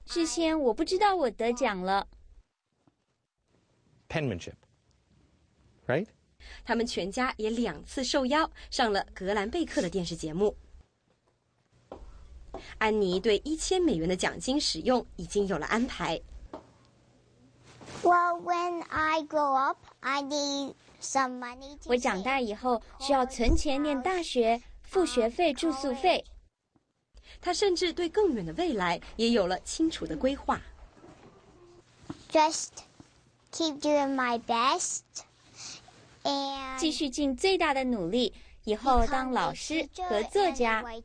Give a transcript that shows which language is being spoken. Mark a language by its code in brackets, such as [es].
[zh] 事先我不知道我得奖了。 [en] Penmanship, right? [zh] 他们全家也两次受邀上了格兰贝克的电视节目。安妮对$1,000的奖金使用已经有了安排。 [en] Well, when I grow up, I need some money. [zh] 我长大以后需要存钱念大学，付学费、住宿费。他甚至对更远的未来也有了清楚的规划。 [en] Just keep doing my best. [zh] 继续尽最大的努力，以后当老师和作家。